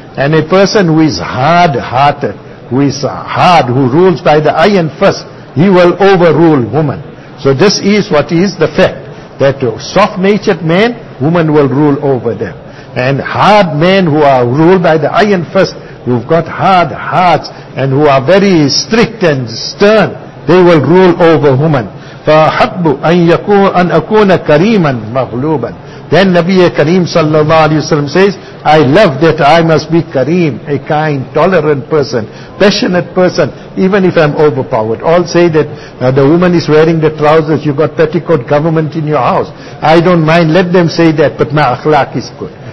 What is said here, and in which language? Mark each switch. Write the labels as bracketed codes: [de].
[en] And a person who is hard-hearted, who is hard, who rules by the iron fist, he will overrule woman. So this is what is the fact, that soft-natured man, woman will rule over them. And hard men who are ruled by the iron fist, who've got hard hearts, and who are very strict and stern, they will rule over woman. [ar] فأحب أن يكون أن أكون كريما مغلوبا. [en] Then Nabi Kareem sallallahu alayhi wa sallam says, I love that I must be Kareem, a kind, tolerant person, passionate person, even if I'm overpowered. All say that the woman is wearing the trousers, you got petticoat government in your house. I don't mind, let them say that, but my akhlaq is good.